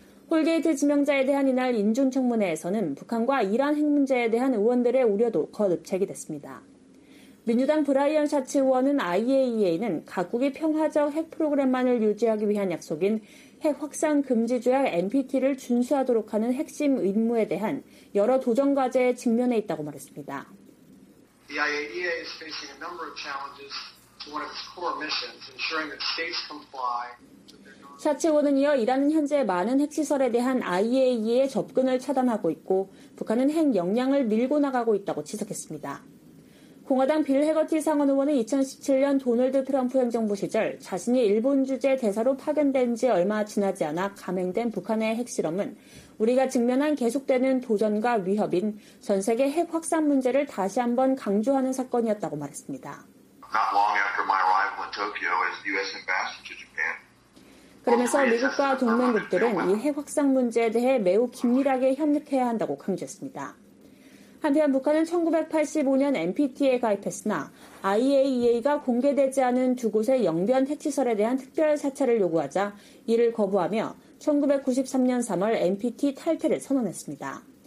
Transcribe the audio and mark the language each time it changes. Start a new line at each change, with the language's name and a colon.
Korean: 홀게이트 지명자에 대한 이날 인준청문회에서는 북한과 이란 핵 문제에 대한 의원들의 우려도 거듭 제기됐습니다. 민주당 브라이언 샤츠 의원은 IAEA는 각국이 평화적 핵 프로그램만을 유지하기 위한 약속인 핵 확산 금지 조약 NPT를 준수하도록 하는 핵심 임무에 대한 여러 도전 과제에 직면해 있다고 말했습니다.
English: The IAEA is facing a number of challenges to one of its core missions, ensuring that states comply.
Korean: 샤츠 의원은 이어 이란은 현재 많은 핵시설에 대한 IAEA의 접근을 차단하고 있고 북한은 핵 역량을 밀고 나가고 있다고 지적했습니다. 공화당 빌 해거티 상원 의원은 2017년 도널드 트럼프 행정부 시절 자신이 일본 주재 대사로 파견된 지 얼마 지나지 않아 감행된 북한의 핵실험은 우리가 직면한 계속되는 도전과 위협인 전 세계 핵 확산 문제를 다시 한번 강조하는 사건이었다고 말했습니다.
English: Not long after my arrival in Tokyo as U.S. ambassador to Japan.
Korean: 그러면서 미국과 동맹국들은 이 핵 확산 문제에 대해 매우 긴밀하게 협력해야 한다고 강조했습니다. 한편 북한은 1985년 NPT에 가입했으나 IAEA가 공개되지 않은 두 곳의 영변 핵시설에 대한 특별 사찰을 요구하자 이를 거부하며 1993년 3월 NPT 탈퇴를 선언했습니다.